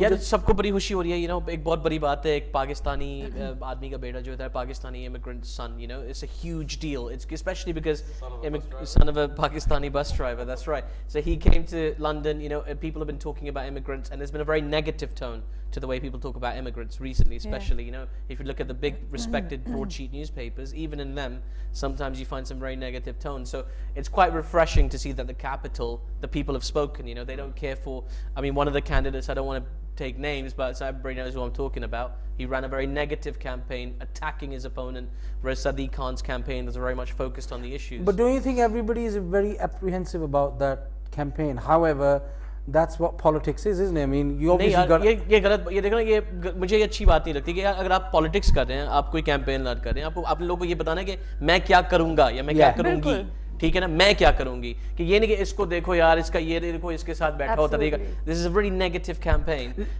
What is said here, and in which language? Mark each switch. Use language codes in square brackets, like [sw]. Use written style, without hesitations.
[hi] यार सबको बड़ी खुशी हो रही है, you know, एक बहुत बड़ी बात है, एक पाकिस्तानी आदमी का बेटा जो होता है Pakistani immigrant son, you know, [en] it's a huge deal. It's especially because son of a Pakistani bus driver. That's right. So he came to London, you know, and people have been talking about immigrants, and there's been a very negative tone to the way people talk about immigrants recently, especially, you know, if you look at the big respected broadsheet newspapers, even in them, sometimes you find some very negative tone. So it's quite refreshing to see that the capital, the people have spoken, you know, they don't care for, I mean, one of the candidates, I don't want to take names, but everybody knows who I'm talking about. He ran a very negative campaign attacking his opponent, whereas Sadiq Khan's campaign is very much focused on the issues. But don't you think everybody is very apprehensive about that campaign? However, that's what politics is, isn't it? I mean, you obviously got... [hi] ये मुझे ये अच्छी बात नहीं लगती कि अगर आप politics कर रहे हैं, आप कोई campaign ना कर रहे हैं, आपको आप लोगों को ये बताना है कि मैं क्या करूँगा या मैं क्या करूँगी. ठीक है ना, मैं क्या करूंगी, कि ये नहीं कि इसको देखो यार, इसका ये देखो, इसके साथ बैठा होता देखा. [en] This is a very negative campaign.